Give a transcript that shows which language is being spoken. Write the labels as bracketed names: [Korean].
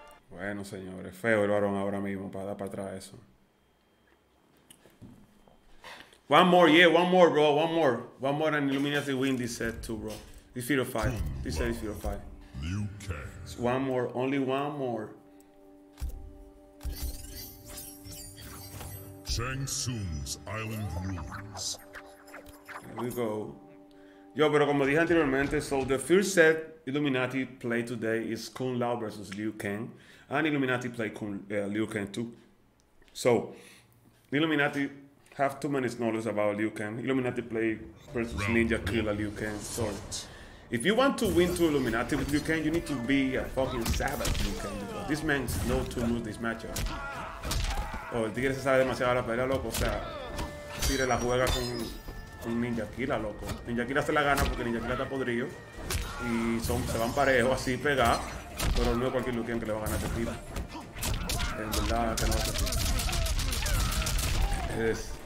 [Spanish] Bueno, señores, feo el varón ahora mismo para dar para atrás eso. [English] One more, yeah, one more, bro, one more. One more and Illuminati win this set too, bro. This field of five. This set is field of five. It's one more, only one more. Shang Tsung's Island Ruins. Here we go. Yo, [Spanish] pero como dije anteriormente, [English] so the first set Illuminati play today is Kung Lao versus Liu Kang. And Illuminati play Liu Kang too. So, Illuminati have too many knowledge about Liu Kang. Illuminati play versus Ninja Killer Liu Kang. So, if you want to win to Illuminati with Liu Kang, you need to be a fucking savage Liu Kang. This man knows to lose this matchup. [Spanish] Oh, el tigre se sabe demasiado la pelea, loco. O sea, tigre la juega con Ninja Killer, loco. Ninja Killer se la gana porque Ninja Killer está podrido. Y se van parejos así, pegados. Pero no es cualquier Liu Kang que le va a ganar este tipo. En verdad que no va a ser.